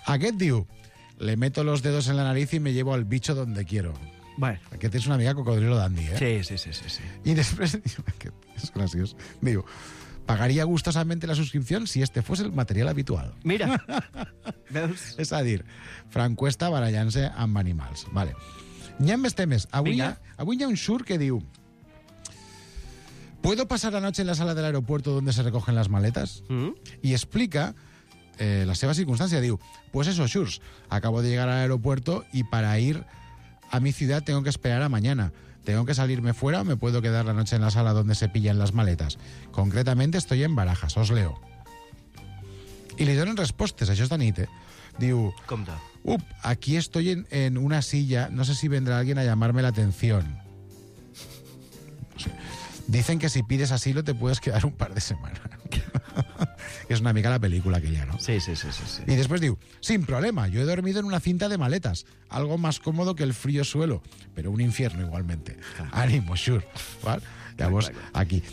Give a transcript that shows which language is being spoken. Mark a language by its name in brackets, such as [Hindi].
[Spanish] Aquest diu, le meto los dedos en la nariz y me llevo al bicho donde quiero. Bueno. [Catalan] Aquest és una mica cocodrilo dandy, eh? Sí. I després, aquest és graciós, diu... [Spanish] Pagaria gustosamente la suscripción si este fos el material habitual. [Catalan] Mira, veus? És a dir, Frank Cuesta barallant-se amb animals. Vale. N'hi ha més temes. Avui hi ha un xur que diu... [Spanish] ¿Puedo pasar la noche en la sala del aeropuerto donde se recogen las maletas? Uh-huh. [Catalan] I explica la seva circunstància. [Spanish] Diu, pues eso, xurs, acabo de llegar al aeropuerto y para ir a mi ciudad tengo que esperar a mañana. ¿Tengo que salirme fuera o me puedo quedar la noche en la sala donde se pillan las maletas? Concretamente estoy en Barajas, os leo. Y le dieron respuestas, [Catalan] això és de nit, eh? Diu... Compte. [Spanish] Up, aquí estoy en una silla, no sé si vendrá alguien a llamarme la atención. Dicen que si pides asilo te puedes quedar un par de semanas. Es [Catalan] una mica [Spanish] la película aquella, ¿no? Sí. Y después digo, sin problema, yo he dormido en una cinta de maletas. Algo más cómodo que el frío suelo, pero un infierno igualmente. Ánimo, Xur. ¿Vale? Ya vos, aquí.